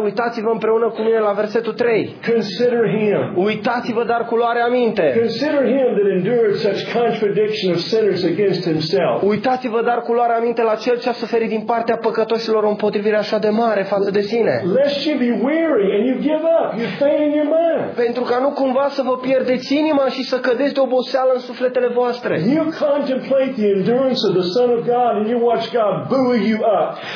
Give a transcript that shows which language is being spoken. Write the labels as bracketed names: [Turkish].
[Romanian] uitați-vă împreună cu mine la versetul 3. [English] Consider him. [Romanian] Uitați-vă dar cu luare aminte. [English] Consider him that endured such contradiction of sinners against himself. [Romanian] Uitați-vă dar cu luare aminte la cel ce a suferit din partea păcătoșilor o împotrivire așa de mare față de sine. [English] Lest you be weary and you give up, you faint in your mind. [Romanian] Pentru ca nu cumva să vă pierdeți inima și să cădeți de oboseală în sufletele voastre. [English] You contemplate the endurance of the Son of God and you watch God buoy you up.